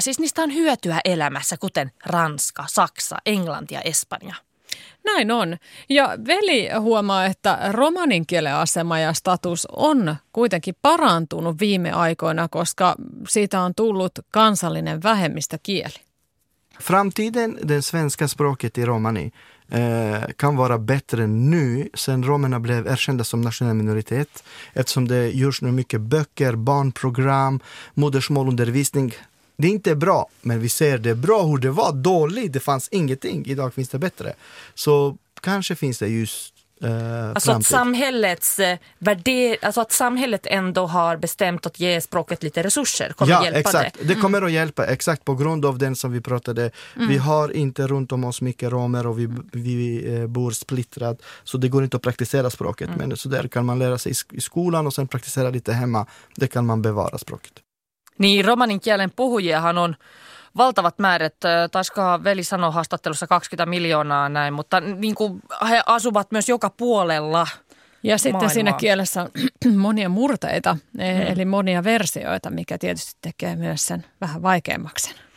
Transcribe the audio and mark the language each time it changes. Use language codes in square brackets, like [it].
[fi] Siis niistä on hyötyä elämässä, kuten ranska, saksa, englanti ja espanja. Näin on. Ja veli huomaa, että romanin kielen asema ja status on kuitenkin parantunut viime aikoina, koska siitä on tullut kansallinen vähemmistökieli. [sv] Framtiden, den svenska språket i romani, kan vara bättre nu sen romerna blev erkända som nationell minoritet, eftersom det görs nu mycket böcker, barnprogram, modersmålundervisning. Det är inte bra, men vi ser det bra hur det var dåligt, det fanns ingenting. Idag finns det bättre. Så kanske finns det just alltså att samhällets alltså att samhället ändå har bestämt att ge språket lite resurser kommer att hjälpa det. Ja, exakt. Det kommer att hjälpa, exakt, på grund av den som vi pratade. Vi har inte runt om oss mycket romer och vi bor splittrat, så det går inte att praktisera språket. Men så där kan man lära sig i skolan och sen praktisera lite hemma. Det kan man bevara språket. [fi] Niin, romanin kielen puhujiahan on valtavat määrät, taisikohan veli sanoi haastattelussa 20 miljoonaa näin, mutta niin kuin he asuvat myös joka puolella Ja sitten maailmaa. Siinä kielessä on monia murteita, eli monia versioita, mikä tietysti tekee myös sen vähän vaikeammaksi.